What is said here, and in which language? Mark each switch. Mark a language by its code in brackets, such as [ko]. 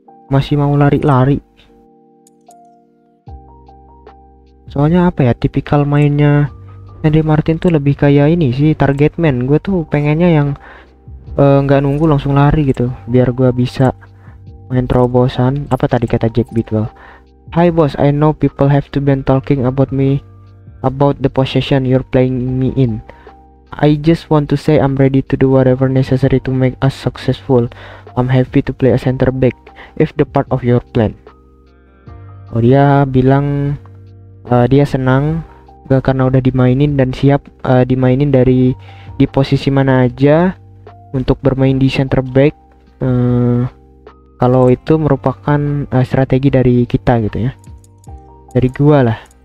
[id] Masih mau lari-lari. Soalnya apa ya, tipikal mainnya Henry Martin tuh lebih kayak ini sih, target man. Gue tuh pengennya yang nggak nunggu langsung lari gitu biar gua bisa main terobosan. Apa tadi kata Jack Bidwell? [en] Hi boss, I know people have to been talking about me, about the position you're playing me in. I just want to say I'm ready to do whatever necessary to make us successful. I'm happy to play a center back if the part of your plan. [id] Oh, dia bilang dia senang gak karena udah dimainin dan siap dimainin dari di posisi mana aja untuk bermain di center back. kalau itu merupakan strategi dari kita gitu ya, dari gua lah.